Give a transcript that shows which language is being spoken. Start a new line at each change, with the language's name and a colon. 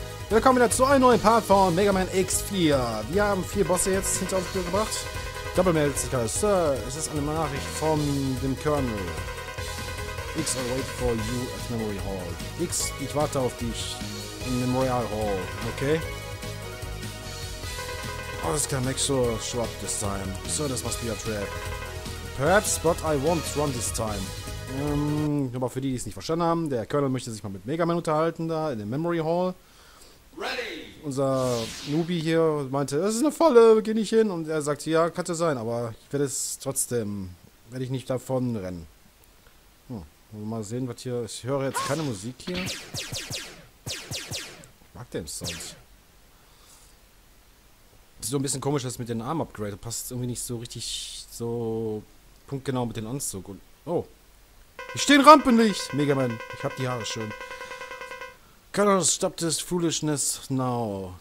German: Willkommen wieder zu einem neuen Part von Mega Man X4. Wir haben vier Bosse jetzt hinter uns gebracht. Double Mail, Sir, es ist eine Nachricht von dem Colonel.
English: X, I wait for you at Memory Hall.
German: X, ich warte auf dich in Memorial Hall, okay? Alles klar,
English: make sure show up this time. Sir, this must be a trap. Perhaps, but I won't run this time.
German: Aber für die, die es nicht verstanden haben, der Colonel möchte sich mal mit Mega Man unterhalten da in dem Memory Hall. Ready. Unser Nubi hier meinte, das ist eine Falle, geh nicht hin. Und er sagt, ja, kann ja sein, aber ich werde es trotzdem, werde ich nicht davon rennen. Mal sehen, was hier, ich höre jetzt keine Musik hier. Ich mag den Sound. Das ist so ein bisschen komisch, das mit den Arm-Upgrade, passt irgendwie nicht so richtig so punktgenau mit dem Anzug. Und oh, ich stehe in Rampenlicht, Mega Man, ich hab die Haare schön.
English: Colonel, stop this foolishness now.